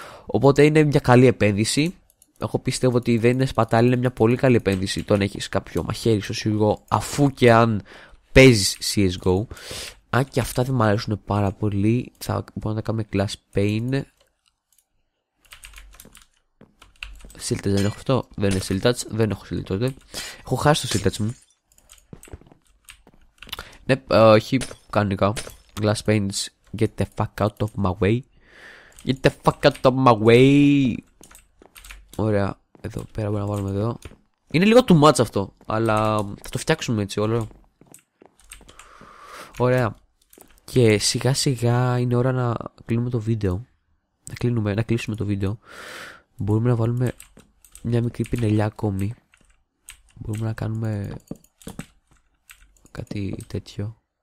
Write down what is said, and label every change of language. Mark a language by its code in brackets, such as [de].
[el] Οπότε είναι μια καλή επένδυση. Εγώ πιστεύω ότι δεν είναι σπατάλη, είναι μια πολύ καλή επένδυση το να έχεις κάποιο μαχαίρι στο CSGO, αφού και αν παίζεις CSGO. Αν και αυτά δεν μου αρέσουν πάρα πολύ, θα μπορούμε να κάνουμε Glass Pane. Σιλτάτς δεν έχω αυτό, δεν είναι σιλτάτς, δεν έχω σιλτάτς τότε. Έχω χάσει το σιλτάτς μου. Ναι, όχι, κανονικά. [en] Glass Panes, get the fuck out of my way. Get the fuck out of my way. [el] Ωραία, εδώ πέρα μπορούμε να βάλουμε εδώ. Είναι λίγο [en] too much [el] αυτό, αλλά θα το φτιάξουμε έτσι όλο. Ωραία. Και σιγά σιγά είναι ώρα να κλείνουμε το βίντεο. Να κλείσουμε το βίντεο. Μπορούμε να βάλουμε μια μικρή πινελιά ακόμη. Μπορούμε να κάνουμε κάτι τέτοιο.